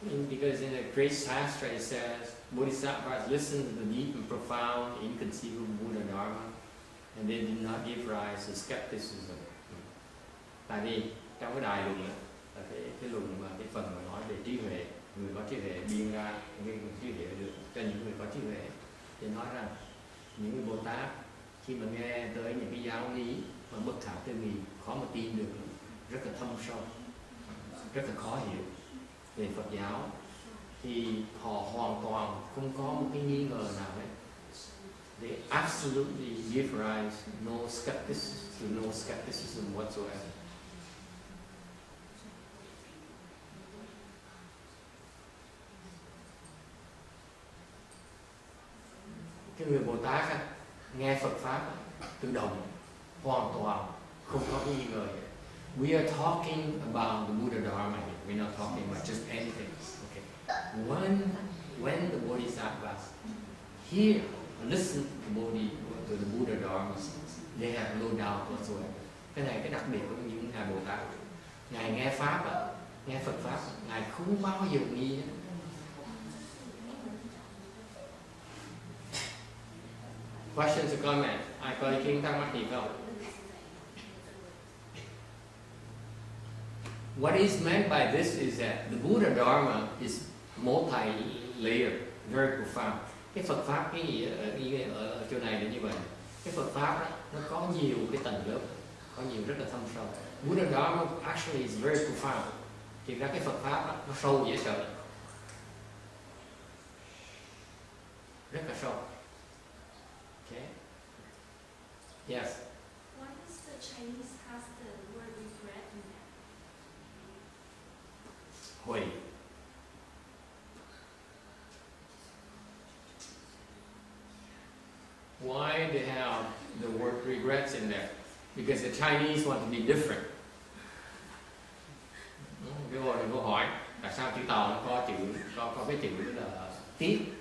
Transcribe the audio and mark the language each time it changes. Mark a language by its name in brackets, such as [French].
[English] Because in the great sastra it says Bodhisattvas listen to the deep and profound inconceivable Buddha Dharma and they did not give rise to skepticism. [Vietnamese] Tại vì trong cái đại luận đó, cái luận mà cái phần mà nói về trí huệ, người có trí huệ biên ra nguyên một trí huệ được cho những người có trí huệ thì nói rằng những người Bồ Tát khi mà nghe tới những cái giáo lý mà bất khả tư nghị khó mà tin được, rất là thâm sâu, rất là khó hiểu về Phật giáo, thì họ hoàn toàn không có một cái nghi ngờ nào hết. [English] They absolutely give rise no skepticism to no skepticism whatsoever. [Vietnamese] Cái người Bồ Tát á, nghe Phật pháp tự động hoàn toàn không có nghi ngờ. [English] We are talking about the Buddha Dharma here. We're not talking about just anything. Okay. When the Bodhisattvas hear, listen to the Buddha Dharma, they have no doubt whatsoever. [Vietnamese] Cái này cái đặc biệt của những ngài Bồ Tát. Ngài nghe pháp á, nghe Phật pháp, ngài không bao giờ nghi. [English] Questions or comments? [Vietnamese] Ai có ý kiến thắc mắc gì không? [English] What is meant by this is that the Buddha Dharma is multi-layered, very profound. [Vietnamese] Cái Phật pháp cái ý ở chỗ này là như vậy. Cái Phật pháp nó có nhiều cái tầng lớp, có nhiều rất là thâm sâu. [English] Buddha Dharma actually is very profound. [Vietnamese] Thì ra cái Phật pháp nó sâu dễ sợ, rất là sâu. [English] Yes. Why does the Chinese have the word regret in it? Hui. Why do they have the word regrets in there? Because the Chinese want to be different. [Vietnamese] Cái hồi đừng có hỏi tại sao chữ tàu nó có chữ có cái chữ là tiếp.